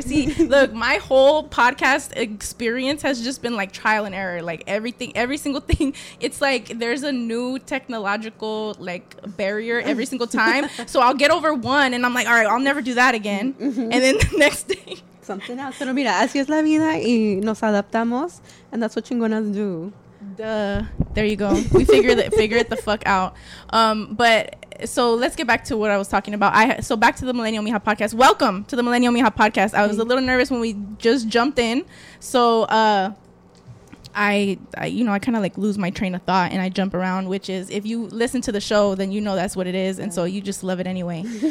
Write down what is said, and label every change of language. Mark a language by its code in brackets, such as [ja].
[en] See, look, my whole podcast experience has just been like trial and error. Like everything, every single thing. It's like there's a new technological like barrier every single time. So I'll get over one and I'm like, all right, I'll never do that again. Mm-hmm. And then the next day. Something else. [es] Pero mira, así es la vida y nos adaptamos. [en] And that's what chingonas do. Duh. There you go. We figure it the fuck out. But so let's get back to what I was talking about. So back to the Millennial Mija podcast. Welcome to the Millennial Mija podcast. I was a little nervous when we just jumped in. So I kind of like lose my train of thought and I jump around, which is if you listen to the show, then you know that's what it is. And so you just love it anyway.